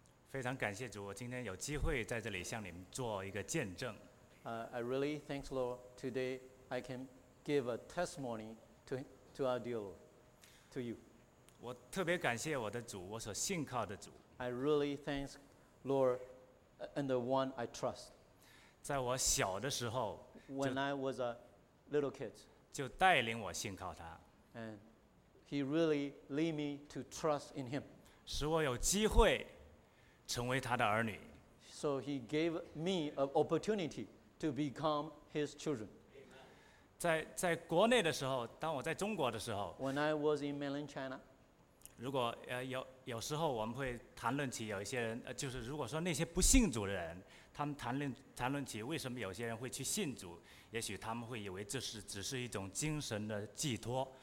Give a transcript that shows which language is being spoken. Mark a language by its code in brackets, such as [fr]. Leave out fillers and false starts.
[zh] 非常感谢主，我今天有机会在这里向你们做一个见证。 [en] I really thanks Lord, today I can give a testimony to our dear Lord, to you. [zh] 我特别感谢我的主，我所信靠的主。 [en] I really thanks Lord and the one I trust. [zh] 在我小的时候 [en] When I was a little kid, [zh] 就带领我信靠他。 [en] And he really lead me to trust in him. [zh] 使我有机会成为他的儿女。 [en] So he gave me an opportunity to become his children. [zh] 在国内的时候，当我在中国的时候 [en] When I was in mainland China, [zh] 如果有时候我们会谈论起有一些人，就是如果说那些不信主的人，他们谈论起为什么有些人会去信主，也许他们会以为这是只是一种精神的寄托。